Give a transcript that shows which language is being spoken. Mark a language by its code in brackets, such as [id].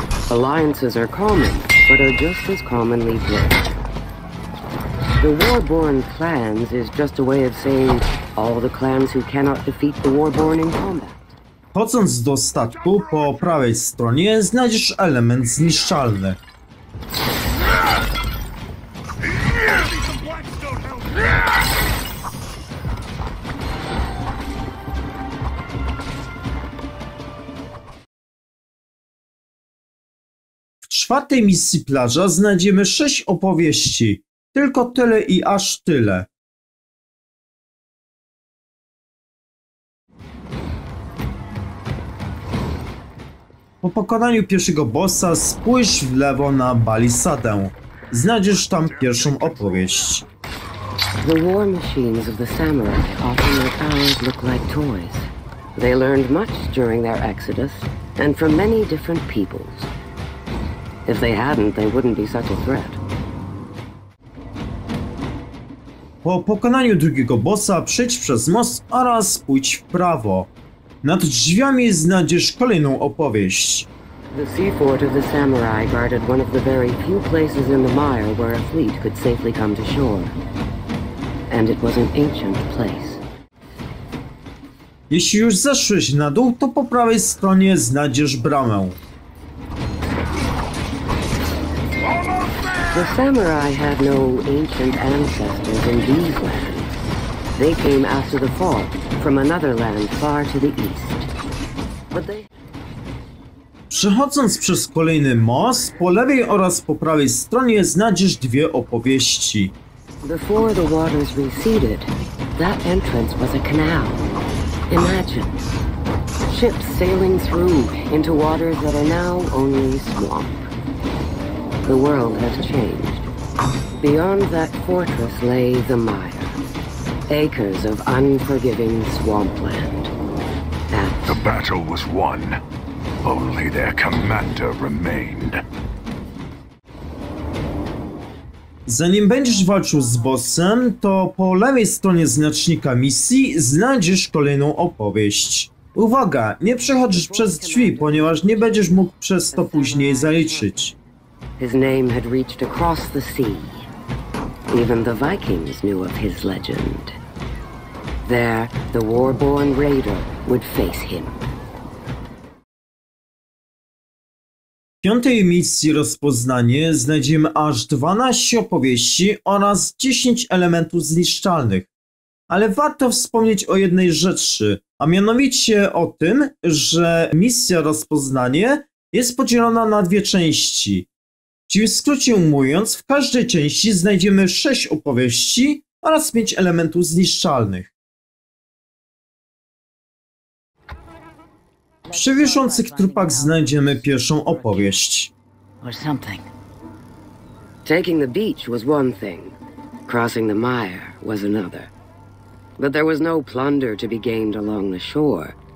[en] Alliances are common, but are just as commonly broken. The warborn clans is just a way of saying all the clans who cannot defeat the warborn in combat. [pl] Chodząc do statku, po prawej stronie znajdziesz element zniszczalny. W czwartej misji plaża znajdziemy 6 opowieści. Tylko tyle i aż tyle. Po pokonaniu pierwszego bossa spójrz w lewo na balisadę. Znajdziesz tam pierwszą opowieść. [en] The war machines of the samurai often make ours look like toys. They learned much during their exodus and from many different peoples. If they hadn't, they wouldn't be such a threat. [pl] Po pokonaniu drugiego bossa przejdź przez most oraz pójdź w prawo. Nad drzwiami znajdziesz kolejną opowieść. [en] The seaport of the samurai guarded one of the very few places in the mire where a fleet could safely come to shore. And it was an ancient place. [pl] Jeśli już zeszłeś na dół, to po prawej stronie znajdziesz bramę. [en] The samurai had no ancient ancestors in these lands. They came after the fall from another land far to the east. But they... [pl] Przechodząc przez kolejny most, po lewej oraz po prawej stronie znajdziesz dwie opowieści. [en] Before the waters receded, that entrance was a canal. Imagine, ships sailing through into waters that are now only swamp. The world has changed. Beyond that fortress lay the mire. Acres of unforgiving swampland. And... The battle was won. Only their commander remained. [pl] Zanim będziesz walczył z bossem, to po lewej stronie znacznika misji znajdziesz kolejną opowieść. Uwaga! Nie przechodzisz przez drzwi, ponieważ nie będziesz mógł przez to później zaliczyć. [en] His name had reached across the sea. Even the Vikings knew of his legend. There, the warborn raider would face him. [pl] W piątej misji rozpoznanie znajdziemy aż 12 opowieści oraz 10 elementów zniszczalnych. Ale warto wspomnieć o jednej rzeczy, a mianowicie o tym, że misja rozpoznanie jest podzielona na dwie części. Czyli w skrócie mówiąc, w każdej części znajdziemy 6 opowieści oraz 5 elementów zniszczalnych. Przy wiszących trupach znajdziemy pierwszą opowieść. [en] Taking the beach was one thing, crossing the mire was another. But there was no plunder to be gained along the shore.